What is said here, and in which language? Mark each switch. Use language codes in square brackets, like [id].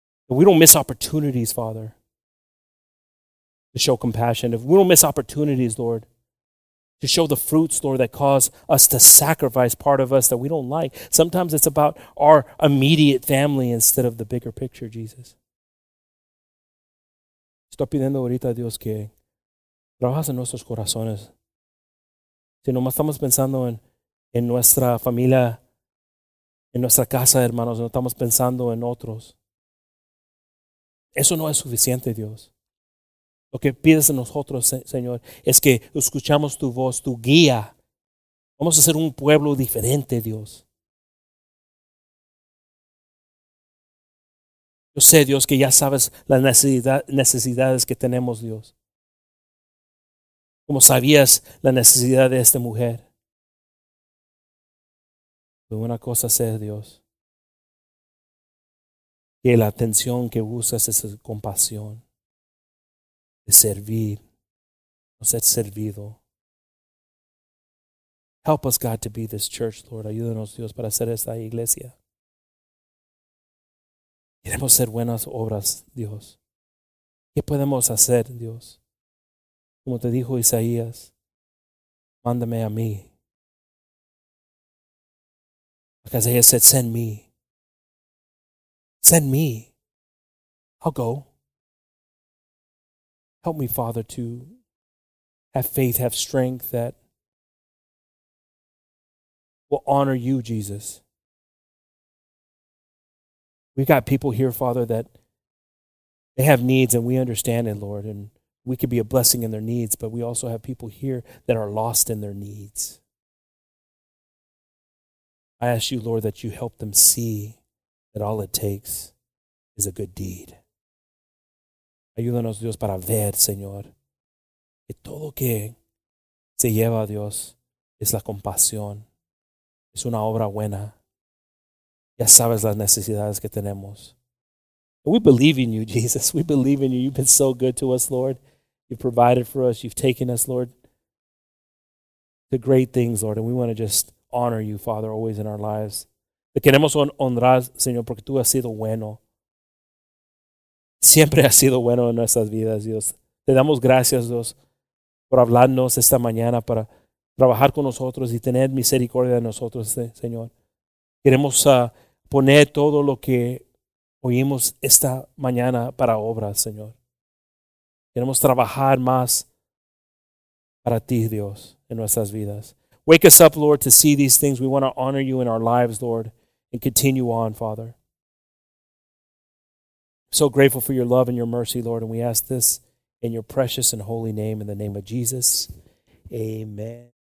[en] We don't miss opportunities, Father, to show compassion. If we don't miss opportunities, Lord, to show the fruits, Lord, that cause us to sacrifice part of us that we don't like. Sometimes it's about our immediate family instead of the bigger picture, Jesus. [es] Estoy pidiendo ahorita a Dios que trabajes en nuestros corazones. Si nomás estamos pensando en nuestra familia, en nuestra casa, hermanos, no estamos pensando en otros. Eso no es suficiente, Dios. Lo que pides de nosotros, Señor, es que escuchamos tu voz, tu guía. Vamos a ser un pueblo diferente, Dios. Yo sé, Dios, que ya sabes las necesidades que tenemos, Dios. Como sabías la necesidad de esta mujer. Pero una cosa sé, Dios. Que la atención que usas es compasión, de servir, no ser servido. [en] Help us, God, to be this church, Lord. [es] Ayúdanos, Dios, para ser esta iglesia. Queremos ser buenas obras, Dios. ¿Qué podemos hacer, Dios? Como te dijo Isaías, mándame a mí. [en] Like Isaiah said, send me. Send me. I'll go. Help me, Father, to have faith, have strength that will honor you, Jesus. We've got people here, Father, that they have needs and we understand it, Lord, and we could be a blessing in their needs, but we also have people here that are lost in their needs. I ask you, Lord, that you help them see that all it takes is a good deed. [es] Ayúdanos, Dios, para ver, Señor, que todo que se lleva a Dios es la compasión, es una obra buena. Ya sabes las necesidades que tenemos. [en] We believe in you, Jesus. We believe in you. You've been so good to us, Lord. You've provided for us. You've taken us, Lord, to great things, Lord. And we want to just honor you, Father, always in our lives. [es] Te queremos honrar, Señor, porque tú has sido bueno. Siempre has sido bueno en nuestras vidas, Dios. Te damos gracias, Dios, por hablarnos esta mañana para trabajar con nosotros y tener misericordia de nosotros, Señor. Queremos poner todo lo que oímos esta mañana para obra, Señor. Queremos trabajar más para ti, Dios, en nuestras vidas. [en] Wake us up, Lord, to see these things. We want to honor you in our lives, Lord, and continue on, Father. So grateful for your love and your mercy, Lord, and we ask this in your precious and holy name, in the name of Jesus. Amen.